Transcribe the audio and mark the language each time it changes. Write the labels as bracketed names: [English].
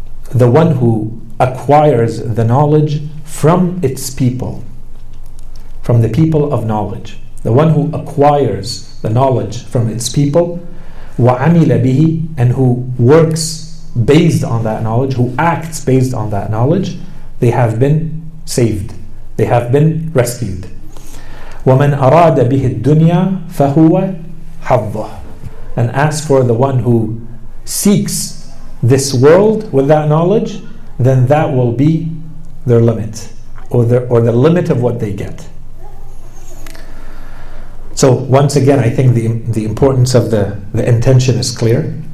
[English] The one who acquires the knowledge from its people, from the people of knowledge. The one who acquires the knowledge from its people, [Arabic] وعمل به, [English] and who works based on that knowledge, who acts based on that knowledge, they have been saved. They have been rescued. [Arabic] ومن أراد به الدنيا فهو حظه. [English] And as for the one who seeks this world with that knowledge, then that will be their limit, or the limit of what they get. So once again, I think the importance of the intention is clear.